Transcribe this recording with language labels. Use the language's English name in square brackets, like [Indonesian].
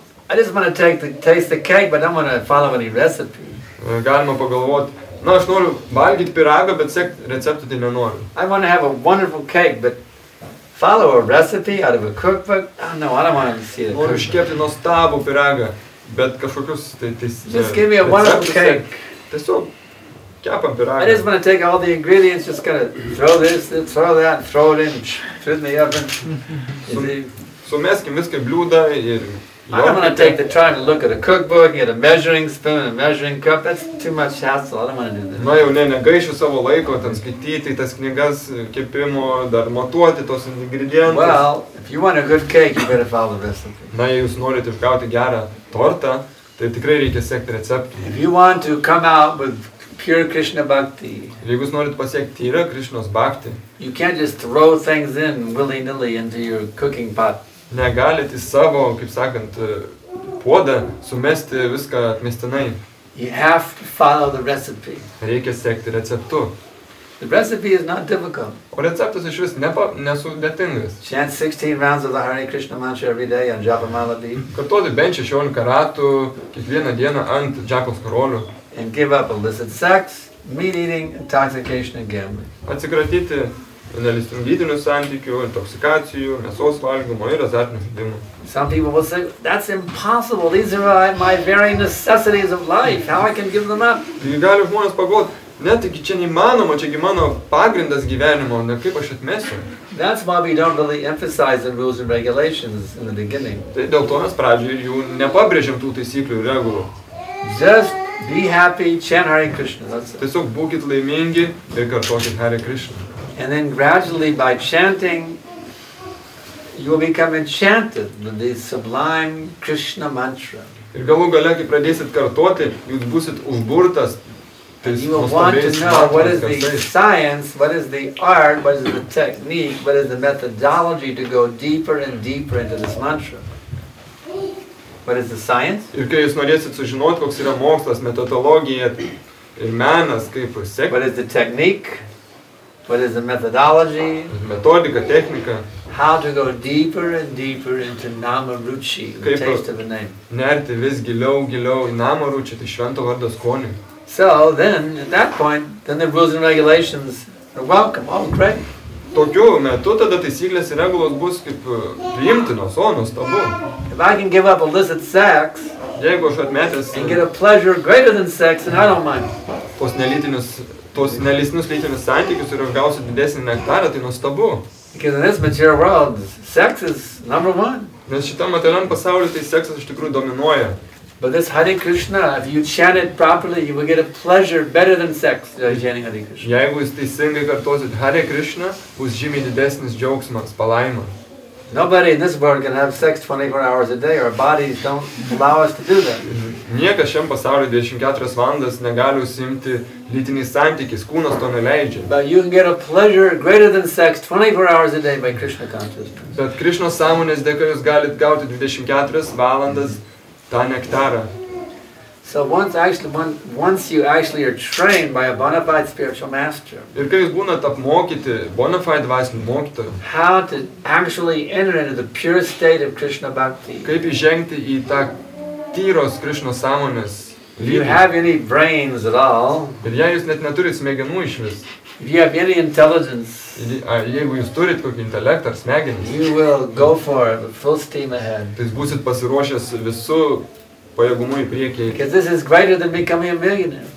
[English] I just want to taste the cake, but I don't want to follow any recipe. [Lithuanian] Galima pagalvoti, na aš noriu valgyti pyragą, bet sek receptų tai nenoriu. [English] I want to have a wonderful cake, but follow a recipe out of a cookbook? No, I don't want to see it. [Lithuanian] Noriu iškepti nuostabų pyragą, bet kažkokius [English] just give me a wonderful cake. [Lithuanian] Tiesiog. Kepam pyragą. [English] I just want to take all the ingredients, just kind of throw this, throw that, throw it in, through the oven. [Lithuanian] Sumeskim viską bliūdą ir... [English] I don't want to take the time to look at a cookbook, get a measuring spoon and a measuring cup. That's too much hassle. I don't want to do that. [Lithuanian] Na jau ne, negaišiu savo laiko ten skaityti tas knygas kepimo, dar matuoti tos ingredientus. [English] Well, if you want a good cake, you better follow the recipe. [Lithuanian] Na jei jūs norite išgauti gerą tortą, tai tikrai reikia sekti receptų. [English] If you want to come out with pure Krishna bhakti. [Lithuanian] Jeigu jūs norite pasiekti tyrą Krishnos bhakti. [English] You can't just throw things in willy-nilly into your cooking pot. [Lithuanian] Negalite savo, kaip sakant, puodą sumesti viską atmestinai. [English] You have to follow the recipe. [Lithuanian] Reikia sekti receptu. [English] The recipe is not difficult. [Lithuanian] O receptas iš vis nesudėtingas. [English] Chant 16 rounds of the Hare Krishna mantra every day on Japa Mala beat. [Lithuanian] Kartuoti bent 16 ratų kiekvieną dieną ant Japos karolių. [English] And give up illicit sex, meat eating, intoxication and gambling. [Lithuanian] Atsikratyti nelistingytinių santykių, intoksikacijų, mėsos valgymo ir azartinių žaidimų. [English] Some people will say, that's impossible, these are my very necessities of life, how I can give them up? [Lithuanian] Gali žmonės pagalvoti, ne, taigi čia neįmanoma, čia mano pagrindas gyvenimo, ne, kaip aš atmesiu? [English] That's why we don't really emphasize the rules and regulations in the beginning. [Lithuanian] Tai dėl to mes pradžioje jų nepabrėžėm tų taisyklių ir regulų. [English] Just be happy, chant Hare Krishna. [Lithuanian] Tiesiog būkit laimingi ir kartuokit Hare Krishna. [English] And then gradually by chanting, you will become enchanted with the sublime Krishna mantra. [Lithuanian] Ir galų gale, kai pradėsit kartuoti, jūs būsit užburtas. [English] And you will want to know what is the science, what is the art, what is the technique, what is the methodology to go deeper and deeper into this mantra. What is the science? [Lithuanian] Ir kai jūs norėsit sužinoti, koks yra mokslas, metodologija ir menas, kaip sekti. [English] What is the technique? What is the methodology? [Lithuanian] Metodika, technika. [English] How to go deeper and deeper into Nama Ruchi, the taste of the name. [Lithuanian] Nerti vis giliau į Nama Ruchi, tai švento vardo skonį. [English] So then, at that point, then the rules and regulations are welcome, all great. [Lithuanian] Tokiu metu tada taisyklės ir regulos bus kaip priimtinos, o nustabu. [English] If I can give up illicit sex, [Lithuanian] jeigu aš atmetęs, [English] and get a pleasure greater than sex, then I don't mind. [Lithuanian] Tos nelytinius lytinius santykius ir aš gausiu didesnį nektarą, tai nustabu. [English] Because in this material world, sex is number one. [Lithuanian] Nes šitam materialiam pasauliu, tai seksas iš tikrųjų dominuoja. [English] But this Hare Krishna, if you chant it properly, you will get a pleasure better than sex chanting Hare Krishna. [Lithuanian] Jeigu jūs teisingai kartuosit Hare Krishna, bus žymiai didesnis džiaugsmas, palaima. [English] Nobody in this world can have sex 24 hours a day. Our bodies don't allow us to do that. [Lithuanian] Niekas šiam pasaulyje 24 valandas negali užsiimti lytiniais santykiais, kūnas to neleidžia. [English] But you can get a pleasure greater than sex 24 hours a day by Krishna consciousness. [Lithuanian] Bet Krishnos sąmonės dėka jūs galite gauti 24 valandas tą nektarą. [English] So once you actually are trained by a bona fide spiritual master. [Lithuanian] Ir kai jūs būnat apmokyti bona fide dvasinių mokytojų. [English] How to actually enter into the pure state of Krishna bhakti. [Lithuanian] Kaip įžengti į tą tyros Krishnos sąmonės lygį. [English] If you have any brains at all. [Lithuanian] Ir jei jūs net neturit smegenų išvis. [English] If you have any intelligence. [Lithuanian] Jeigu jūs turit kokį intelektą ar smegenis. [English] You will go for it full steam ahead. [Lithuanian] Tai jūs būsit pasiruošęs visu pajėgumų į priekį. [English] Because this is greater than becoming a millionaire.